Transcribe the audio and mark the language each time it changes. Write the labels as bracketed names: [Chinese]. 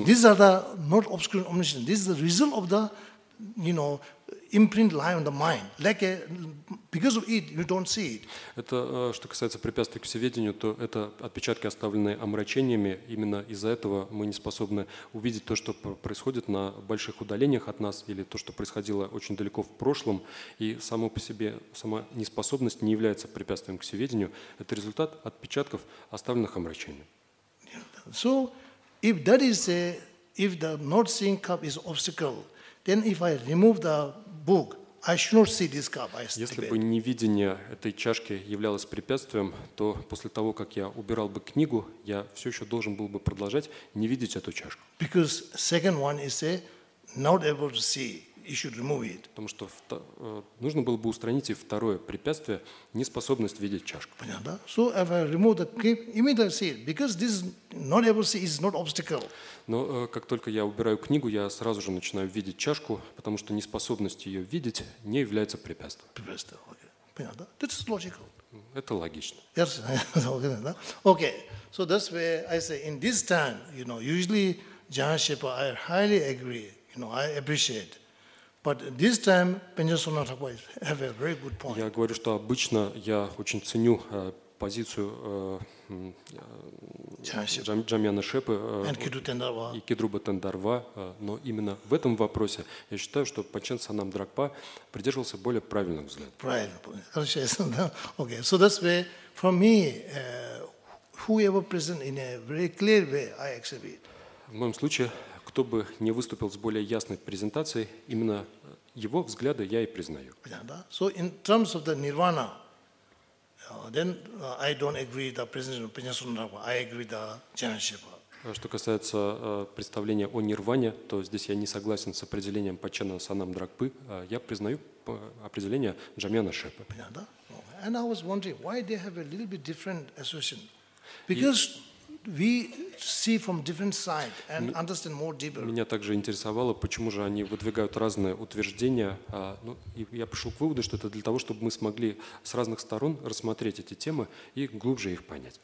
[English] These are the not obscuring omniscience. This is the result of the, you know, imprint lie on the mind, like because of it you don't see it. [Russian] Это что касается препятствий к всеведению, то это отпечатки, оставленные омрачениями. Именно из-за этого мы не способны увидеть то, что происходит на больших удалениях от нас, или то, что происходило очень далеко в прошлом. И само по себе сама неспособность не является препятствием к всеведению. Это результат отпечатков, оставленных омрачениями. [English] So, if that is a, if the not seeing cup is obstacle, then if I remove the book, I should not see this cup. [Russian] Если бы невидение этой чашки являлось препятствием, то после того, как я убирал бы книгу, я все еще должен был бы продолжать не видеть эту чашку. [English] Because second one is a not able to see, you should remove it. [Russian] Потому что нужно было бы устранить и второе препятствие, неспособность видеть чашку. Понятно, да? [English] So if I remove the cup, immediately see it, because this is not able to see is not obstacle. [Russian] Но как только я убираю книгу, я сразу же начинаю видеть чашку, потому что неспособность ее видеть не является препятствием. Понятно, да? [English] That's logical. [Russian] Это логично. [English] Yes, okay. So that's where I say, in this time, you know, usually Jhana Shepa, I highly agree, you know, I appreciate. But this time, Panchen Soma Thakpa have a very good point. [Russian] Я говорю, что обычно я очень ценю позицию Джамьяна Шепы и Кедруба Тендарва, но именно в этом вопросе я считаю, что Панчен Санам Дракпа придерживался более правильных взглядов. Правильно. Хорошо. Okay. [English] So that's why for me, whoever present in a very clear way, I accept it. [Russian] В моем случае, кто бы не выступил с более ясной презентацией, именно его взгляды я и признаю. Понятно. [English] So in terms of the Nirvana, Then I don't agree the presentation of Panchen Soma Thakpa. I agree the Jhana Shepa. [Russian] Что касается представления о нирване, то здесь я не согласен с определением Панчена Санам Дракпы. Я признаю определение Джамьяна Шепы. [English] And I was wondering why they have a little bit different association. Because We see from different side and understand more deeper. [Russian] Меня также интересовало, почему же они выдвигают разные утверждения. Ну, и я пришел к выводу, что это для того, чтобы мы смогли с разных сторон рассмотреть эти темы и глубже их понять.